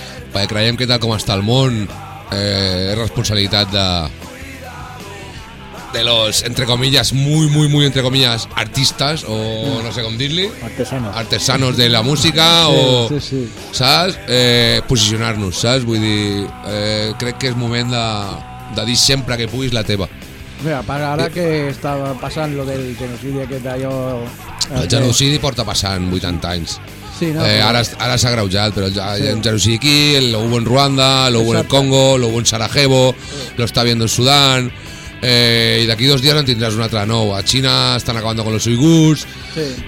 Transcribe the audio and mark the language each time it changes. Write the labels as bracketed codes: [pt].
[ca] Perquè creiem que tal com està el món és responsabilitat de [es] los, entre comillas, muy, entre comillas, [ca] artistes, o no sé com dir-li, [es] artesanos de la música, [ca] sí, o, sí. Saps? Posicionar-nos, saps? Vull dir, crec que és moment de dir sempre que puguis la teva. [es] Mira, para ahora que estaba pasando lo del genocidio que yo... [ca] El genocidio porta passant 80 anys. Sí, no, ara s'ha agreujat, però ja hi ha un genocidi aquí, [es] lo hubo en Ruanda, lo hubo en el Congo, lo hubo en Sarajevo, [ca] sí. [es] Lo está viendo en Sudán, [ca] i d'aquí dos dies en tindràs una altra nou. [es] A Xina estan acabando con los uigurs, sí.